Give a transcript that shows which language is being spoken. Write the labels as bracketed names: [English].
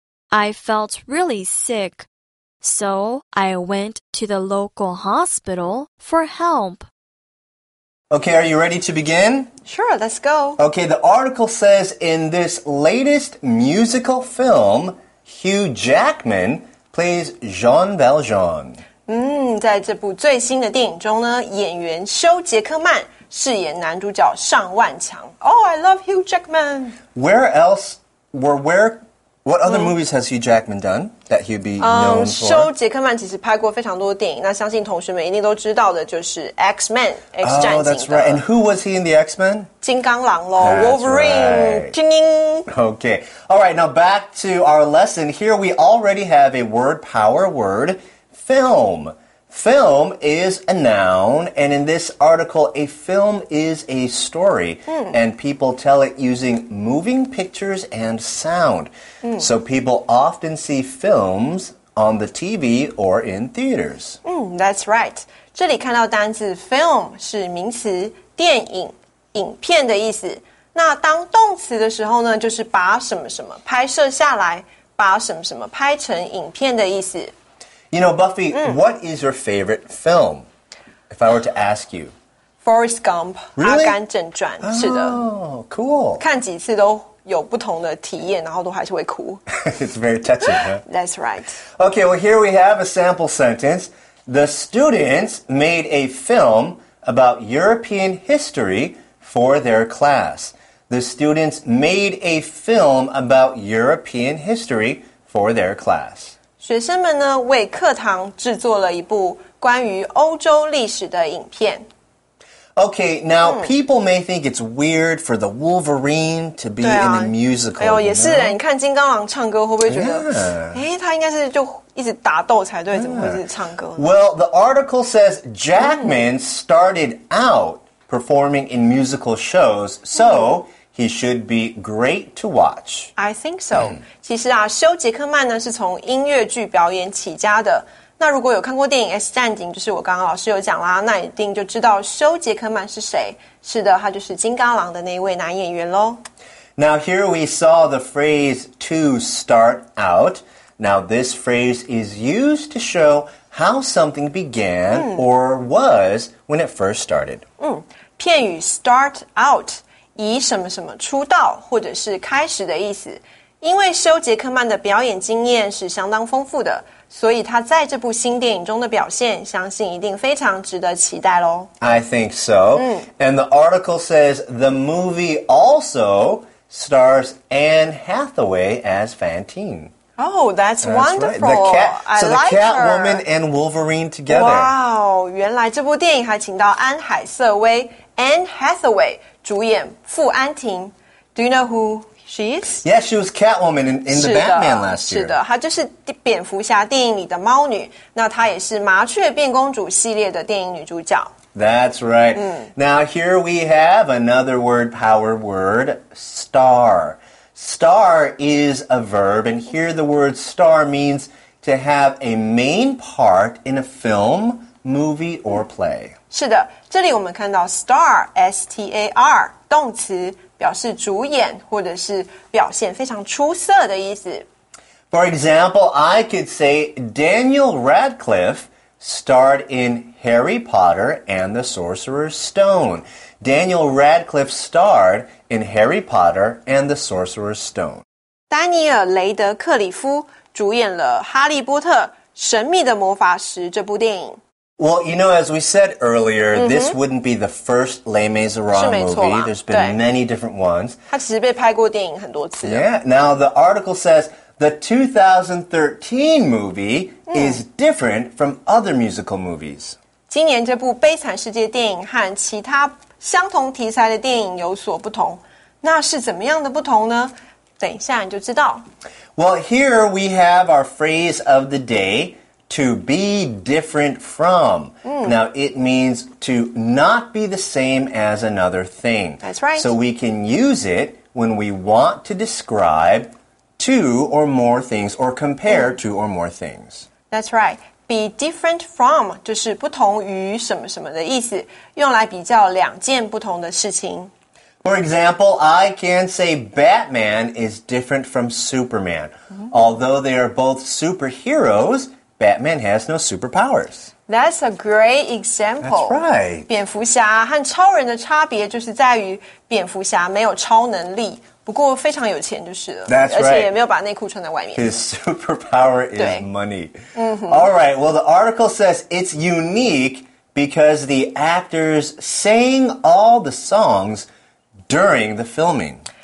[English] I felt really sick, so I went to the local hospital for help. Okay, are you ready to begin? Sure, let's go. Okay, the article says in this latest musical film, Hugh Jackman... Plays Jean Valjean. [Chinese] 在这部最新的电影中呢，演员休·杰克曼饰演男主角尚万强。 [English] Oh, I love Hugh Jackman. Where else? What other movies has Hugh Jackman done that he'd be known for? [Chinese] 休·杰克曼其实拍过非常多电影，那相信同学们一定都知道的就是 X-Men, X 战警的。 [English] Oh, that's right. And who was he in the X-Men? [Chinese] 金刚狼咯 Wolverine. [English] Ting ting. Okay. All right, now back to our lesson. Here we already have a word power word, film. Film is a noun, and in this article, a film is a story,and people tell it using moving pictures and sound. So people often see films on the TV or in theaters. That's right. [Chinese] 这里看到单字 film 是名词，电影、影片的意思。那当动词的时候呢，就是把什么什么拍摄下来，把什么什么拍成影片的意思。 [English] You know, Buffy,what is your favorite film? If I were to ask you. Forrest Gump. Really? [Chinese] 阿甘正传、 oh, 是的。 [English] Oh, cool. [Chinese] 看几次都有不同的体验然后都还是会哭。 [English] It's very touching, huh? That's right. Okay, well, here we have a sample sentence. The students made a film about European history for their class. The students made a film about European history for their class. [Chinese] 学生们呢为课堂制作了一部关于欧洲历史的影片。 [English] Okay, now people may think it's weird for the Wolverine to be in a musical. [Chinese] 哎呦，也是，你看金刚狼唱歌会不会觉得，哎，他应该是就一直打斗才对，怎么会是唱歌呢？ [English] Well, the article says Jackman started out performing in musical shows, so he should be great to watch. I think so. [Chinese] 其实啊，休·杰克曼呢是从音乐剧表演起家的。那如果有看过电影《X 战警》，就是我刚刚老师有讲啦，那一定就知道休·杰克曼是谁。是的，他就是金刚狼的那一位男演员咯。 [English] Now here we saw the phrase to start out. Now this phrase is used to show how something began or was when it first started. [Chinese] 片语 start out 以什么什么出道或者是开始的意思。因为休·杰克曼的表演经验是相当丰富的，所以他在这部新电影中的表现相信一定非常值得期待咯。 [English] I think so. And the article says the movie also stars Anne Hathaway as Fantine. Oh, that's wonderful. Right. Catwoman and Wolverine together. [Chinese] Wow, 原来这部电影还请到安海瑟薇 Anne Hathaway 主演傅安婷。 [English] Do you know who... She is? Yeah, she was Catwoman in the Batman last year. [Chinese] 是的，她就是蝙蝠侠电影里的猫女，那她也是麻雀变公主系列的电影女主角。 [English] That's right. Now here we have another word, power word, star. Star is a verb, and here the word star means to have a main part in a film, movie, or play. [Chinese] 是的，这里我们看到 star, S-T-A-R, 动词。表示主演或者是表现非常出色的意思。 [English] For example, I could say Daniel Radcliffe starred in Harry Potter and the Sorcerer's Stone. Daniel Radcliffe starred in Harry Potter and the Sorcerer's Stone. [Chinese] 丹尼尔·雷德克里夫主演了《哈利波特：神秘的魔法石》这部电影。 [English] Well, you know, as we said earlier, this wouldn't be the first Les Miserables movie. There's been many different ones. [Chinese] 它其实被拍过电影很多次。 [English] Yeah. Now, the article says the 2013 movie is different from other musical movies. [Chinese] 今年这部悲惨世界电影和其他相同题材的电影有所不同。那是怎么样的不同呢？等一下你就知道。 [English] Well, here we have our phrase of the day. To be different from. Now, it means to not be the same as another thing. That's right. So we can use it when we want to describe two or more things or compare two or more things. That's right. [Chinese] Be different from 就是不同于什么什么的意思，用来比较两件不同的事情。 [English] For example, I can say Batman is different from Superman. Although they are both superheroes,Batman has no superpowers. That's a great example. That's right. [Chinese] 蝙蝠侠和超人的差别就是在于蝙蝠侠没有超能力，不过非常有钱就是了。 [English] That's right. [Chinese] 而且也没有把内裤穿在外面。 [English] His superpower is money. All right, well, the article says it's unique because the actors sang all the songs during the filming.